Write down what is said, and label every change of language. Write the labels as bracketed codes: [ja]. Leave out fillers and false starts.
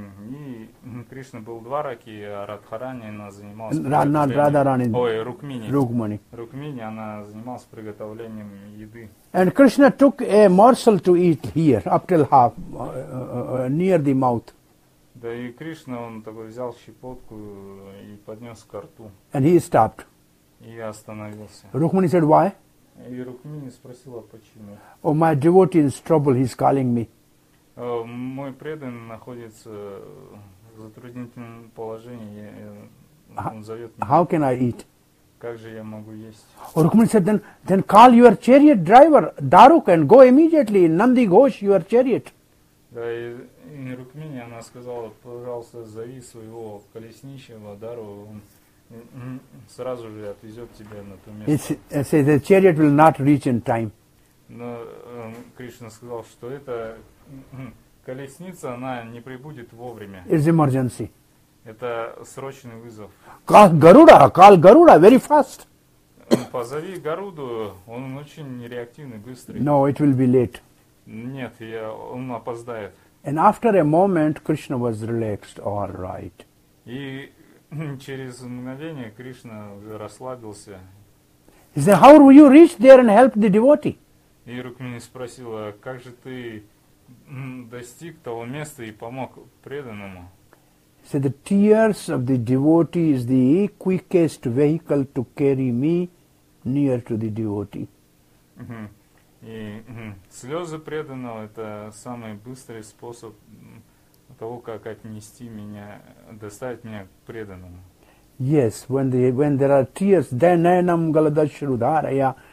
[ru] И Кришна был в Двараке, а Радхарани, она занималась... Рукмини, она занималась приготовлением еды. [en] And Krishna took a morsel to eat here, up till half, near the mouth. [ru] Да и Кришна, он такой взял щепотку и поднес ко рту. [en] And he stopped. [ru] И остановился. [en] Рукмини said, why? [ru] И Рукмини спросила, почему. [en] Oh, my devotee is in trouble, he's calling me. [ru] Мой преданный находится в затруднительном положении, он зовет меня. [en] How can I eat? [ru] Как же я могу есть? [en] Oh, Rukmini said, then call your chariot driver, Daruk, and go immediately, Nandi Ghosh, your chariot. [ru] Да, и Рукмини, она сказала, пожалуйста, зови своего колесничего, Даруку, он сразу же отвезет тебя на то место. [en] Say, the chariot will not reach in time. [ru] Но Кришна сказал, что это колесница, она не прибудет вовремя. [en] It's emergency. [ru] Это срочный вызов. [en] Call Garuda, very fast. [ru] Позови Гаруду, он очень реактивный, быстрый. [en] No, it will be late. [ru] Нет, он опоздает. [en] And after a moment, Krishna was relaxed, all right. [ru] И через мгновение Кришна уже расслабился. [en] He said, how will you reach there and help the devotee? [ru] И Рукмини спросила, как же ты достиг того места и помог преданному? [en] So the tears of the devotee is the quickest vehicle to carry me near to the devotee. [ru] И слезы преданного — это самый быстрый способ того, как отнести меня, доставить меня к преданному. [en] Yes, when there are tears, then [sa] enam galadashrudharaya.